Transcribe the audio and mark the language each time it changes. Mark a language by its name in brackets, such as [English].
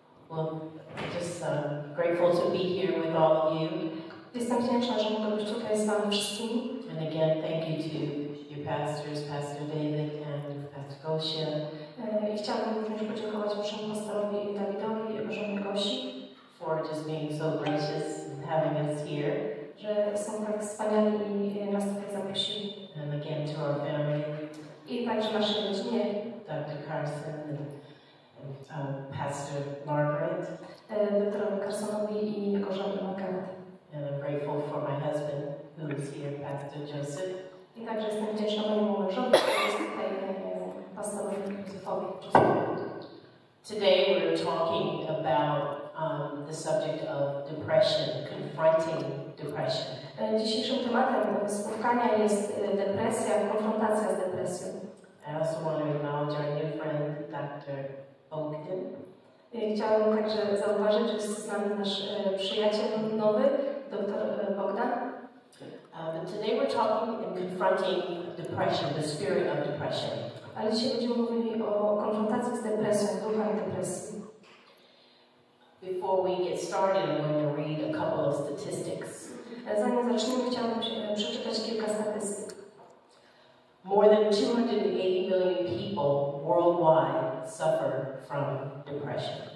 [English] Well, just grateful to be here with all of you. [Polish] Jestem wdzięczna, że mogę być tutaj z wami wszystkimi. [English] And again, thank you to your pastors, Pastor David and Pastor Gosia. [Polish] I chciałabym również podziękować waszemu pastorowi Dawidowi i waszemu Gosi. [English] For just being so gracious and having us here. [Polish] Że są tak wspaniali i nas tutaj zaprosili. [English] And again to our family. [Polish] I także naszej rodzinie. [English] Dr. Carson and Pastor Margaret. Dr. [Polish] Carsonowi i jego żonę Margaret. [English] And I'm grateful for my husband, who is here, Pastor Joseph. [Polish] I także jestem wdzięczna mojemu mężowi, który jest tutaj. [English] Today we're talking about the subject of depression, confronting depression. [Polish] Dzisiejszym tematem spotkania jest depresja, konfrontacja z depresją. [English] I also want to acknowledge our new friend, Dr. Ogden. [Polish] Chciałabym także zauważyć, że jest z nami nasz przyjaciel nowy, Dr. Bogdan. [English] But today we're talking and confronting depression, the spirit of depression. [Polish] Ale dzisiaj będziemy mówili o konfrontacji z depresją, duchem depresji. [English] Before we get started, I'm going to read a couple of statistics. [Polish] Zanim zaczniemy, chciałabym przeczytać kilka statystyk. [English] More than 280 million people worldwide suffer from depression.